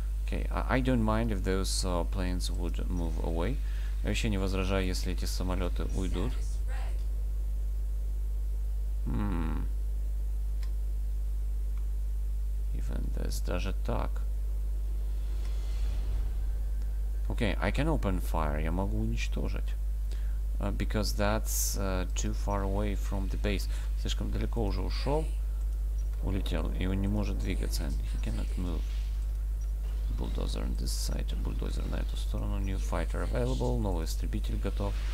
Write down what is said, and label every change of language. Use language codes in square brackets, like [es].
[en] Okay, I don't mind if those planes would move away. [ru] Я вообще не возражаю, если эти самолеты уйдут. [en] Even this, [ru] даже так. [en] Okay, I can open fire, [ru] я могу уничтожить. [en] Because that's too far away from the base. [ru] Слишком далеко уже ушел. Улетел, и он не может двигаться. [en] He cannot move. Bulldozer on this side. Bulldozer [ru] на эту сторону. [en] New fighter available. [ru] Новый истребитель готов.